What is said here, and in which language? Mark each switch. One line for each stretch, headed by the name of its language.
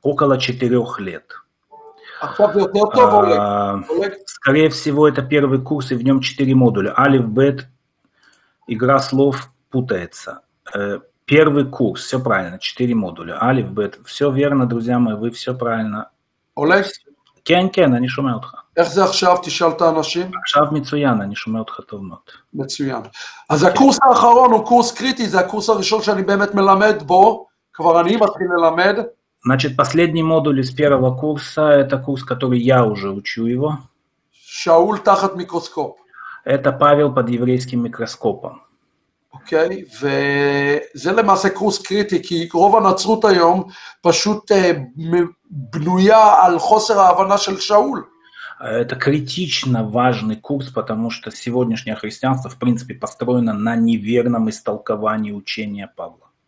Russian: Около 4 лет. Скорее всего, это первый курс, и в нем 4 модуля. Алиф, бет, игра слов путается. Первый курс, все правильно, 4 модуля. Алиф, бет, все верно, друзья мои, вы все правильно. Олег? Кен, они шумят.
Hebrew: איך זה עכשיו, תשאל את האנשים? עכשיו מצוין, אני שומע אותך טוב מאוד. מצוין. אז הקורס האחרון הוא קורס קריטי, זה הקורס הראשון שאני באמת מלמד בו, כבר אני מתחיל ללמד.
Russian: значит, последний модуль из первого курса, это курс, который я уже учу его.
Hebrew: שאול תחת מיקרוסקופ.
Russian: это Павел под еврейским микроскопом.
Hebrew: אוקיי, וזה למעשה קורס קריטי, כי רוב הנצרות היום פשוט בנויה על חוסר ההבנה של שאול.
Russian: Это критично важный курс, потому что сегодняшнее христианство, в принципе, построено на неверном истолковании учения Павла.